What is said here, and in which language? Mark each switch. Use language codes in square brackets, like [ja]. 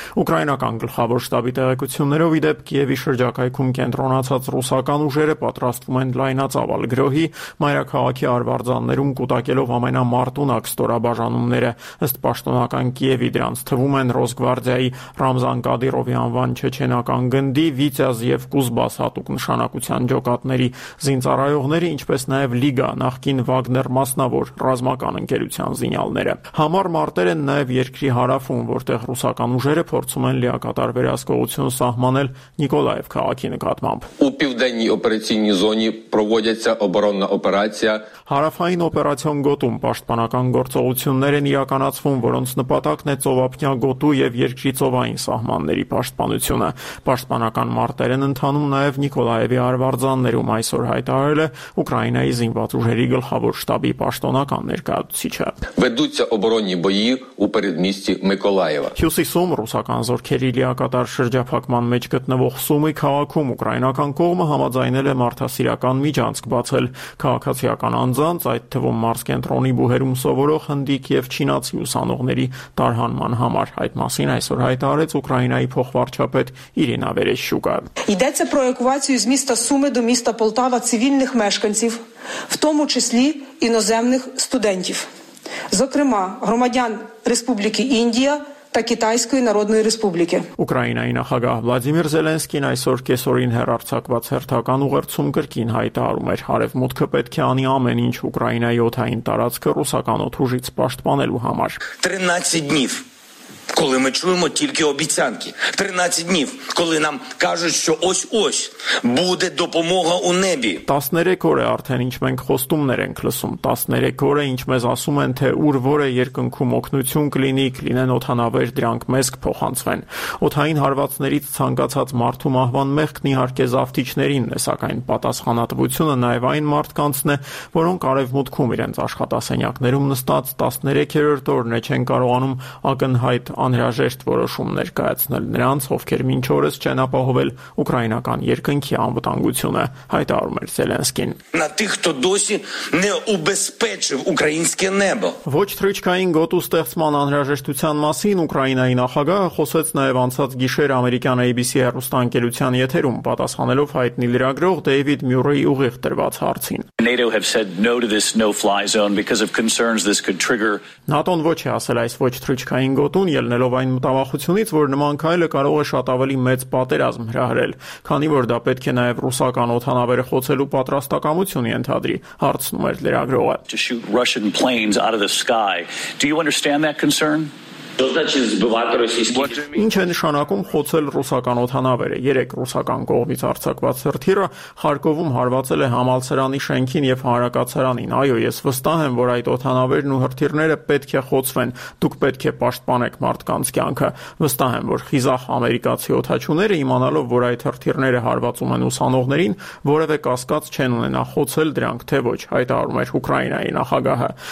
[hy] Ուկրաինական գլխավոր շտաբի տեղեկություններով ի դեպ Կիևի շրջակայքում կենտրոնացած ռուսական ուժերը պատրաստվում են լայնածավալ գրոհի, մայրաքաղաքի արվարձաններում կուտակելով ամենամարտունակ ստորաբաժանումները, ըստ պաշտոնական Կիևի, դրանց թվում են Ռոսգվարդիայի Ռամզան Կադիրովի անվան չեչենական գնդի, Վիցյազ և Կուզբաս հատուկ նշանակության ջոկատների զինծառայողները, ինչպես նաև Լիգա, նախկին Վագներ մասնավոր ռազմական ընկերության զինյալները։ Համար մարտեր են նաև երկրի հարավում, որտեղ ռուսական ուժերը փորձում են լիակատար վերահսկողություն սահմանել Նիկոլաև քաղաքի նկատմամբ։ [uk] Південній операційній зоні проводяться оборонна операція. [hy] Հարավային օպերացիոն գոտում պաշտպանական գործողություններ են իրականացվում, որոնց նպատակն է ծովափնյա գոտու և երկրի ծովային սահմանների պաշտպանությունը։ Պաշտպանական մարտեր են ընթանում նաև Նիկոլաևի արվարձաններում, այսօր հայտարարել է Ուկրաինայի զինված ուժերի գլխավոր շտաբի պաշտոնական ներկայացուցիչը։ [uk] Ведуться оборонні бої у передмісті Миколаєва. [hy] Հյուսիսում ռուսական զորքերի լիակատար շրջափակման մեջ գտնվող Սումի քաղաքում ուկրաինական կողմը համաձայնել է մարդասիրական միջանցք բացել քաղաքացիական անձանց, այդ թվում մարզկենտրոնի բուհերում սովորող հնդիկ և չինացի ուսանողների տարհանման համար։ Այդ մասին այսօր հայտարարեց Ուկրաինայի փոխվարչապետ Իրինա Վերեշչուկա։ [uk] Йдеться про евакуацію з міста Суми до міста Полтава цивільних мешканців, в тому числі іноземних студентів, зокрема громадян Республіки Індія та Китайської Народної Республіки. [hy] Ուկրաինայի նախագահ Վլադիմիր Զելենսկին այսօր կեսօրին հերարցակված հերթական ուղերձում կրկին հայտարարում էր, արևմուտքը պետք է անի ամեն ինչ Ուկրաինայի օթային տարածքը ռուսական օթուժից պաշտպանելու համար։ [uk] 13 днів, коли ми чуємо тільки обіцянки. 13 днів, коли нам кажуть, що ось-ось буде допомога у небі. [hy] 13 օր է արդեն, ինչ մենք խոստումներ ենք լսում, 13 օր է, ինչ մեզ ասում են, թե ուր որ է երկնքում օգնություն կլինի, կլինեն օթանավեր, դրանք մեզ կփոխանցվեն։ Օթային հարվածներից ցանկացած մարդու մահվան մեղքն իհարկե զավթիչներին է, սակայն պատասխանատվությունը նաև այն մարդկանցն է, որոնք արևմուտքում իրենց աշխատասենյակներում նստած 13-րդ օրն է չեն կարողանում ակնհայտ անհրաժեշտ որոշում ներկայացնել նրանց, ովքեր մինչ օրս չեն ապահովել ուկրաինական երկնքի անվտանգությունը, հայտարարում էր Զելենսկին։ [uk] На тих, хто досі не убезпечив українське небо. [hy] Ոչ թռիչքային գոտու ստեղծման անհրաժեշտության մասին Ուկրաինայի նախագահը խոսեց նաև անցած գիշեր ամերիկյան ABC հեռուստաընկերության եթերում, պատասխանելով հայտնի լրագրող Դեյվիդ Մյուրեյի ուղիղ տրված հարցին։ [en] NATO have said no to this no-fly zone because of concerns this could trigger. [hy] ՆԱՏՕ-ն ոչ է ասել այս ոչ թռիչքային գոտուն, ելնելով այն մտավախությունից, որ նման քայլը կարող է շատ ավելի մեծ պատերազմ հրահրել, քանի որ դա պետք է նաև ռուսական օթանավերը խոցելու պատրաստակամություն ենթադրի, հարցնում էր լրագրողը։ [en] To shoot Russian planes out of the sky. Do you understand that concern? [hy] Ինչ է նշանակում խոցել ռուսական օդանավերը։ 3 ռուսական կողմից արձակված հրթիռը Խարկովում հարվածել է համալսարանի շենքին եւ հանրակացարանին։ Այո, ես վստահ եմ, որ այդ օդանավերն ու հրթիռները պետք է խոցվեն։ Դուք պետք է պաշտպանեք մարդկանց կյանքը։ Վստահ եմ, որ խիզախ ամերիկացի օդաչուները, իմանալով, որ այդ հրթիռները հարվածում են ուսանողներին, որևէ կասկած չեն ունենա խոցել դրանք, թե ոչ, հայտարարում էր Ուկրաինայի նախագահը։